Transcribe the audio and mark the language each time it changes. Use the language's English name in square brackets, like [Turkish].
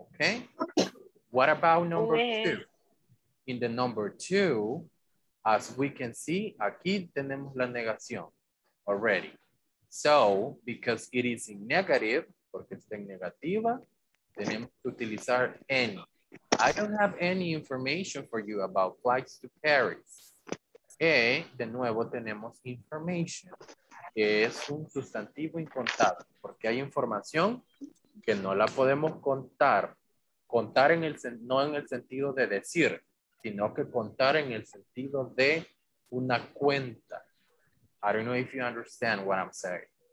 [English] Okay? What about number two? In the number two, as we can see, [Spanish] aquí tenemos la negación [English] already. So, because it is in negative, [Spanish] porque está en negativa, tenemos que utilizar any. [English] I don't have any information for you about flights to Paris. [Spanish] Okay, de nuevo tenemos information, que es un sustantivo incontable, porque hay información que no la podemos contar. Contar en el, no en el sentido de decir, sino que contar en el sentido de una cuenta. [English] I don't know if you understand what I'm saying.